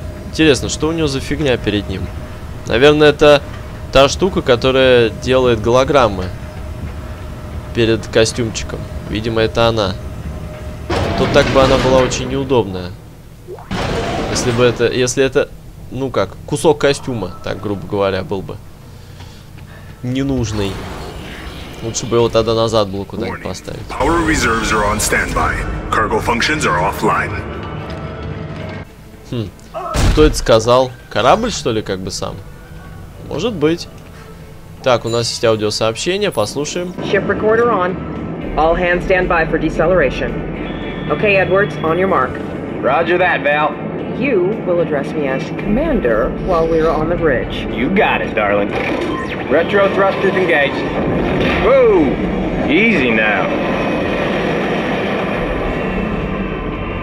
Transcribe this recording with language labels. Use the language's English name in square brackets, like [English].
[Russian] Интересно, что у него за фигня перед ним? Наверное, это та штука, которая делает голограммы перед костюмчиком. Видимо, это она. Тут так бы она была очень неудобная. Если это, ну как, кусок костюма, так, грубо говоря, был бы ненужный. Лучше бы его тогда назад было куда-нибудь поставить. [English] Power reserves are on standby. Cargo functions are offline. [Russian] Кто это сказал? Корабль, что ли, как бы сам? Может быть. Так, у нас есть аудиосообщение, послушаем. [English] Ship recorder on. All hands stand by for deceleration. Okay, Edwards, on your mark. Roger that, Val. You will address me as Commander while we are on the bridge. You got it, darling. Retro thrusters engaged. Whoa! Easy now.